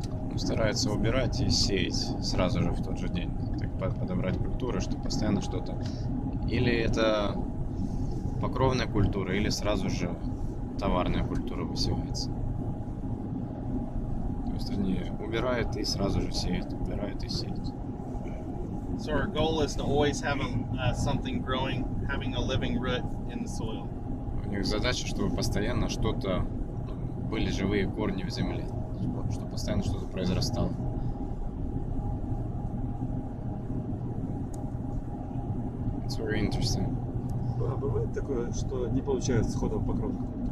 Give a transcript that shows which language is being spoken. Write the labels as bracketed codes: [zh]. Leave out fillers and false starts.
[ru] Он старается убирать и сеять сразу же в тот же день. Так подобрать культуры, что постоянно что-то. Или это покровная культура, или сразу же товарная культура высевается. То есть они убирают и сразу же сеют, убирают и сеют. [en] So our goal is to always have a, something growing, having a living root in the soil. [ru] У них задача, чтобы постоянно что-то, были живые корни в земле, чтобы постоянно что-то произрастало. [en] It's very interesting. [ru] А бывает такое, что не получается сходом покровка?